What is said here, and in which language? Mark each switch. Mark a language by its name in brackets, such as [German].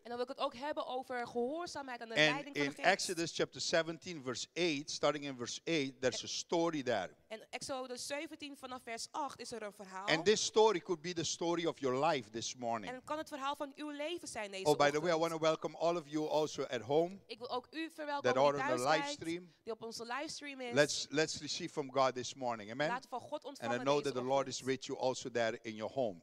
[Dutch] En dan wil ik het ook hebben over gehoorzaamheid aan de leiding van de Geest. [English] In Exodus chapter 17 verse 8, starting in verse 8, there's a story there. [Dutch] En Exodus 17 vanaf vers 8 is er een verhaal. [English] And this story could be the story of your life this morning. [Dutch] En kan het verhaal van uw leven zijn deze ochtend. [English] Oh, by the way, I want to welcome all of you also at home. [Dutch] Ik wil ook u verwelkomen thuis. [English] That are on the live stream. [Dutch] Die op onze livestream is. [English] Let's receive from God this morning. Amen. [Dutch] Laten van God ontvangen. [English] And I know that the Lord is with you also there in your homes.